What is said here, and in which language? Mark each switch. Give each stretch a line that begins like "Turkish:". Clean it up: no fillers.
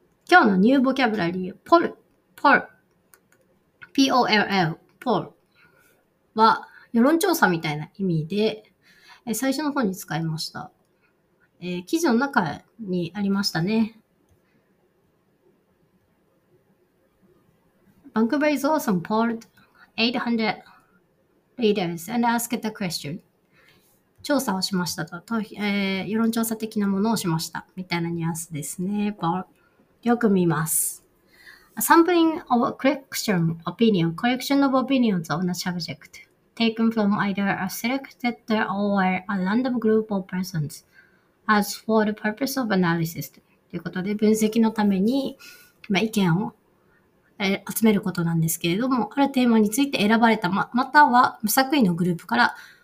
Japanese: 今日のニューボキャブラリー、ポル、P-O-L-L、ポルは、世論調査みたいな意味で、最初の方に使いました。記事の中にありましたね。
English: Vancouver is awesome, polled 800 readers and asked the question.
Japanese: 調査をしましたと、世論調査的なものをしましたみたいなニュアンスですね。よく見ます。
English: A sampling of a collection opinion, collection of opinions on a subject taken from either a selected or a random group of persons as for the purpose of analysis
Japanese: ということで、分析のために、まあ、意見を、集めることなんですけれども、あるテーマについて選ばれた または無作為のグループから